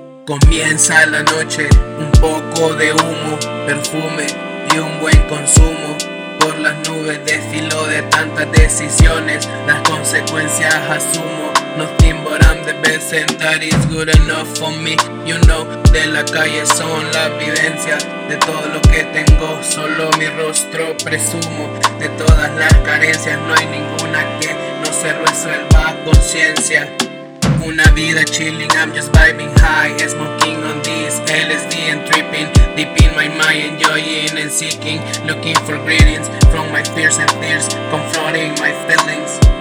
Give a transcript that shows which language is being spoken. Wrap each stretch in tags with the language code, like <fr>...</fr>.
<es>Comienza la noche, un poco de humo, perfume y un buen consumo. Por las nubes desfilo de tantas decisiones, las consecuencias asumo.</es> <en>Nothing but I'm the best and that is good enough for me. You know,</en> <es>de la calle son la vivencia de todo lo que tengo, solo mi rostro presumo. De todas las carencias no hay ninguna que no se resuelva a conciencia. Una vida</es> <en>chilling, I'm just vibing high, smoking on this LSD and tripping, deep in my mind, enjoying and seeking, looking for greetings from my fears and tears, confronting my feelings.</en>